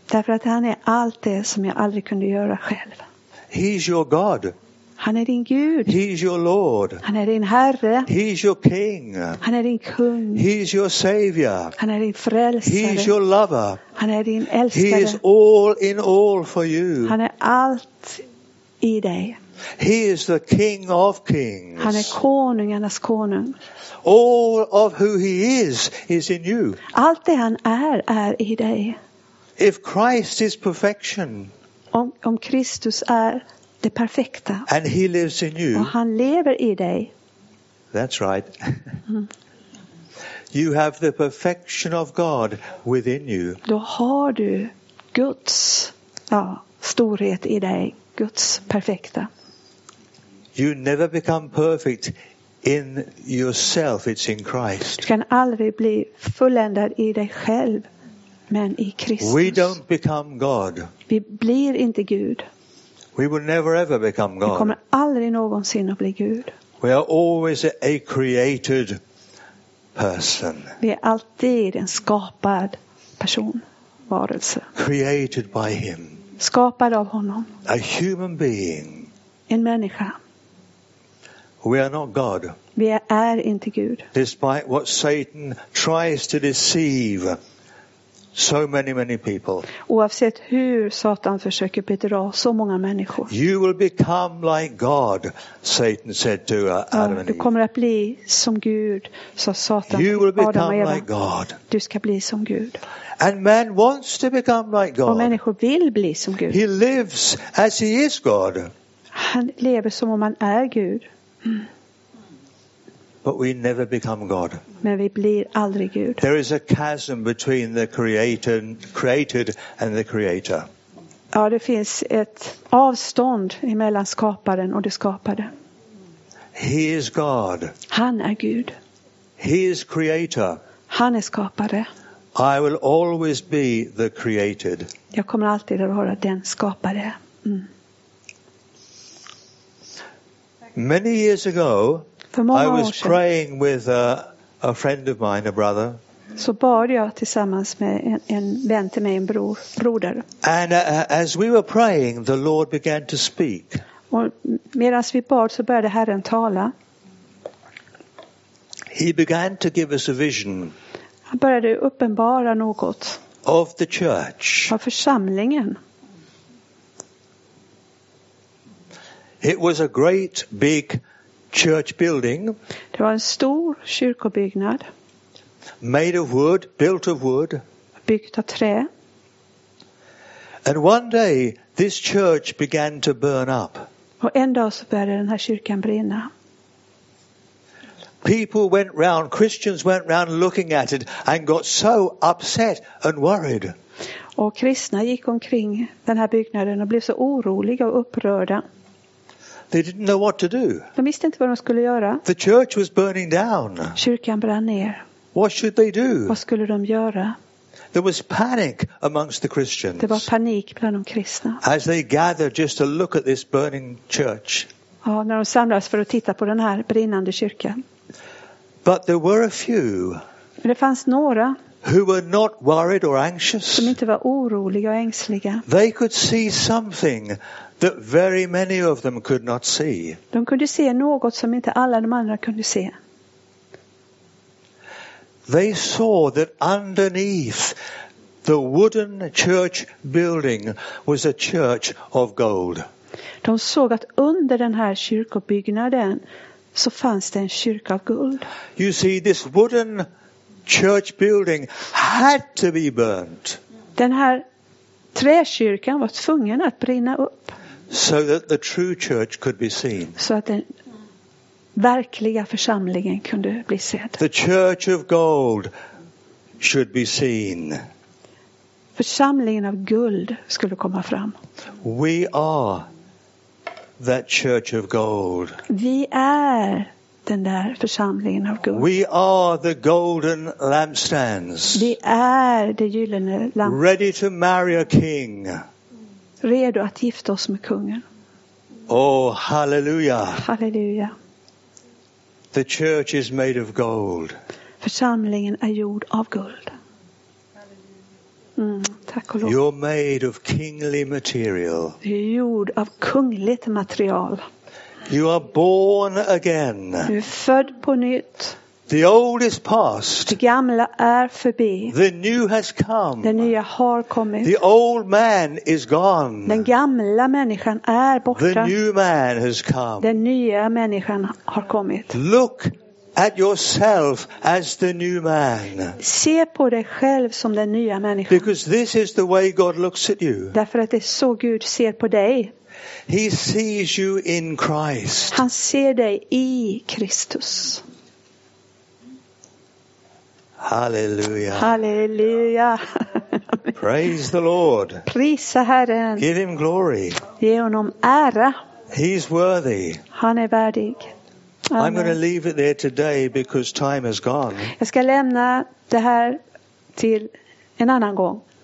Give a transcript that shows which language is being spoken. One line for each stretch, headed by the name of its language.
Swedish: Därför att han är allt det som jag aldrig kunde göra själv.
English: He's your God.
Swedish: Han är din Gud.
English: He's your Lord.
Swedish: Han är din Herre.
English: He's your King.
Swedish: Han är din Kung.
English: He's your Savior.
Swedish: Han är din Frälsare.
English: He's your Lover.
Swedish: Han är din Älskare.
English: He is all in all for you.
Swedish: Han är allt i dig.
English: He is the King of Kings.
Swedish: Han är konungarnas konung.
English: All of who he is in you.
Swedish: Allt det han är i dig.
English: If Christ is perfection.
Swedish: Om Kristus är det perfekta.
English: And he lives in you.
Swedish: Och han lever i dig.
English: That's right. You have the perfection of God within you.
Swedish: Då har du Guds storhet i dig. Guds perfekta.
English: You never become perfect in yourself. It's in Christ.
Swedish: Du kan aldrig bli fulländad i dig själv. Men i Kristus.
English: We don't become God.
Swedish: Vi blir inte Gud.
English: We will never ever become God.
Swedish: Vi kommer aldrig någonsin att bli Gud.
English: We are always a created person.
Swedish: Vi är alltid en skapad person, varelse.
English: Created by him.
Swedish: Skapad av honom.
English: A human being.
Swedish: En människa.
English: We are not God.
Swedish: Vi är inte Gud.
English: Despite what Satan tries to deceive so many, many people.
Swedish: Oavsett hur Satan försöker bedra så många människor.
English: You will become like God, Satan said to Adam and Eve.
Swedish: Du kommer att bli som Gud, sa Satan.
English: You will become like God.
Swedish: Du ska bli som Gud.
English: And man wants to become like God.
Swedish: Och människor vill bli som Gud.
English: He lives as he is God.
Swedish: Han lever som om han är Gud.
English: But we never become God.
Swedish: Men vi blir aldrig Gud.
English: There is a chasm between the created and the creator.
Swedish: Ja, det finns ett avstånd emellan skaparen och det skapade.
English: He is God.
Swedish: Han är Gud.
English: He is creator.
Swedish: Han är skapare.
English: I will always be the created.
Swedish: Jag kommer alltid att vara den skapare.
English: Many years ago, I was praying with a friend of mine, a brother.
Swedish: Så bad jag tillsammans med en vän till mig, en broder.
English: And as we were praying, the Lord began to speak.
Swedish: Och medan vi bad så började Herren tala.
English: He began to give us a vision.
Swedish: Han började uppenbara något.
English: Of the church.
Swedish: Av församlingen.
English: It was a great big church building.
Swedish: Det var en stor kyrkobyggnad.
English: Made of wood, built of wood.
Swedish: Byggt av trä.
English: And one day this church began to burn up.
Swedish: Och en dag så började den här kyrkan brinna.
English: People went round, Christians went round looking at it and got so upset and worried.
Swedish: Och kristna gick omkring den här byggnaden och blev så oroliga och upprörda.
English: They didn't know what to do.
Swedish: De visste inte vad de skulle göra.
English: The church was burning down.
Swedish: Kyrkan brann ner.
English: What should they do?
Swedish: Vad skulle de göra?
English: There was panic amongst the Christians.
Swedish: Det var panik bland de kristna.
English: As they gathered just to look at this burning church.
Swedish: Ja, när de samlades för att titta på den här brinnande kyrkan.
English: But there were a few.
Swedish: Men det fanns några.
English: Who were not worried or anxious.
Swedish: Som inte var oroliga och ängsliga.
English: They could see something that very many of them could not see.
Swedish: De kunde se något som inte alla de andra kunde se.
English: They saw that underneath the wooden church building was a church of gold.
Swedish: De såg att under den här kyrkobyggnaden så fanns det en kyrka av guld.
English: You see, this wooden church building had to be burnt.
Swedish: Den här träkyrkan var tvungen att brinna upp.
English: So that the true church could be seen.
Swedish: Så att den verkliga församlingen kunde bli sedd.
English: The church of gold should be seen.
Swedish: Församlingen av guld skulle komma fram.
English: We are that church of gold.
Swedish: Vi är den där församlingen av guld.
English: We are the golden lampstands.
Swedish: Vi är det gyllene lamp.
English: Ready to marry a king.
Swedish: Redo att gifta oss med kungen.
English: Oh, halleluja.
Swedish: Halleluja.
English: The church is made of gold.
Swedish: Församlingen är gjord av guld. Tack och lov.
English: You're made of kingly material.
Swedish: Du är gjord av kungligt material.
English: You are born again.
Swedish: Du är född på nytt.
English: The old is past.
Swedish: Det gamla är förbi.
English: The new has come.
Swedish: Den nya har kommit.
English: The old man is gone.
Swedish: Den gamla människan är borta.
English: The new man has come.
Swedish: Den nya människan har kommit.
English: Look at yourself as the new man.
Swedish: Se på dig själv som den nya människan.
English: Because this is the way God looks at you.
Swedish: Därför att det är så Gud ser på dig.
English: He sees you in Christ.
Swedish: Han ser dig i Kristus.
English: Hallelujah.
Swedish: Hallelujah.
English: Praise the Lord.
Swedish: Prisa Herren.
English: Give him glory.
Swedish: Ge honom ära.
English: He's worthy.
Swedish: Han är värdig.
English: Amen. I'm going to leave it there today because time has gone.
Swedish: Jag ska lämna det här till en annan gång.